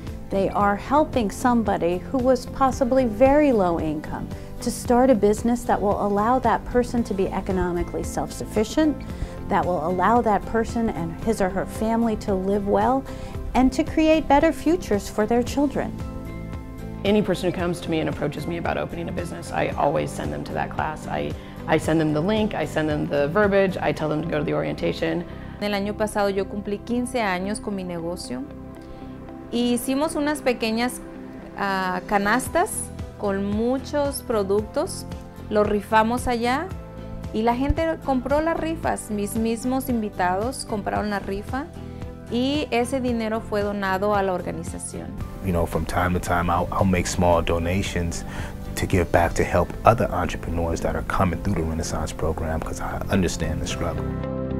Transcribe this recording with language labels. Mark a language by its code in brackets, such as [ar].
[en] They are helping somebody who was possibly very low income to start a business that will allow that person to be economically self-sufficient, that will allow that person and his or her family to live well, and to create better futures for their children. Any person who comes to me and approaches me about opening a business, I always send them to that class. I send them the link, I send them the verbiage, I tell them to go to the orientation. [es] El año pasado yo cumplí 15 años con mi negocio. E hicimos unas pequeñas canastas con muchos productos. Los rifamos allá y la gente compró las rifas. Mis mismos invitados compraron la rifa y ese dinero fue donado a la organización. [en] You know, from time to time I'll make small donations to give back to help other entrepreneurs that are coming through the Renaissance program, because I understand the struggle.